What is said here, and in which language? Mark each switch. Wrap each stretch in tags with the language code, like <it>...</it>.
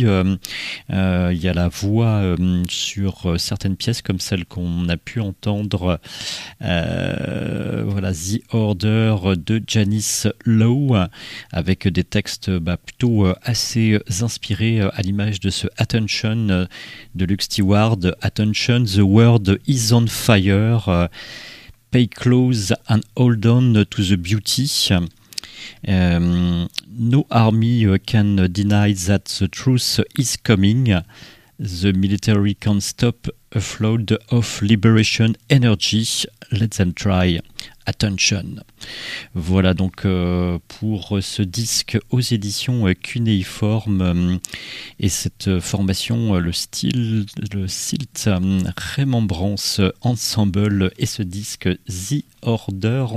<fr>Il y a la voix sur certaines pièces, comme celle qu'on a pu entendre, The Order de Janice Lowe, avec des textes plutôt assez inspirés à l'image de ce Attention de Luke Stewart.</fr> <en>Attention, the world is on fire. Pay close and hold on to the beauty. No army can deny that the truth is coming. The military can't stop a flood of liberation energy. Let them try. Attention.</en> <fr>Voilà donc pour ce disque aux éditions Cuneiform, et cette formation, le style, le Silt Remembrance Ensemble, et ce disque The Order.</fr>